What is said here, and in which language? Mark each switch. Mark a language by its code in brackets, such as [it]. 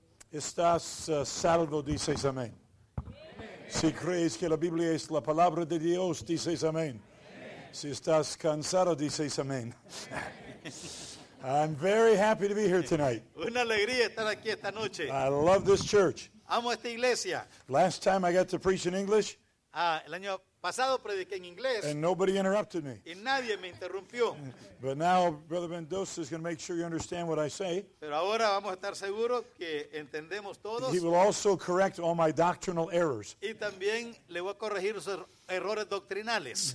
[es] Estás salvo, dices amén. Si crees que la Biblia es la palabra de Dios, dices amén. Si estás cansado, dices amén. [en] I'm very happy to be here tonight. [es] Una alegría estar aquí esta noche. [en] I love this church. [es] Amo esta iglesia. [en] Last time I got to preach in English. [es] El año pasado prediqué en inglés. [en] And nobody interrupted me. [es] Y nadie me interrumpió. [en] But now Brother Mendoza is going to make sure you understand what I say. [es] Pero ahora vamos a estar seguros que entendemos todos. [en] He will also correct all my doctrinal errors. [es] Y también le voy a corregir sus errores doctrinales.